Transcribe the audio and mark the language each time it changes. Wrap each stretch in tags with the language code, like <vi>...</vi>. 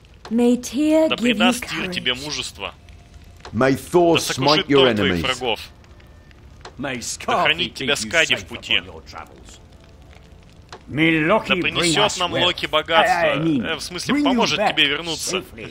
<en>May Tyr give you courage.</en> <ru>Да придаст Тир тебе мужество.</ru> <en>May Thor smite your enemies.</en> <ru>Да сохранит тебя Скади в пути. Да принесет нам Локи богатство. В смысле, поможет тебе вернуться.</ru>